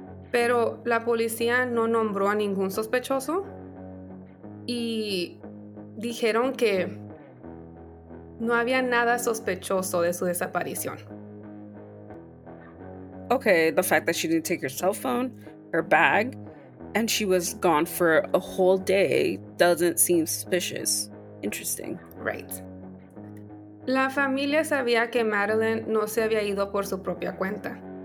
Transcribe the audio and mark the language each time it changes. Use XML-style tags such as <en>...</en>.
<es>Pero la policía no nombró a ningún sospechoso. Y dijeron que no había nada sospechoso de su desaparición.</es> <en>Okay, the fact that she didn't take her cell phone, her bag, and she was gone for a whole day doesn't seem suspicious. Interesting. Right.</en> <es>La familia sabía que Madeline no se había ido por su propia cuenta.</es>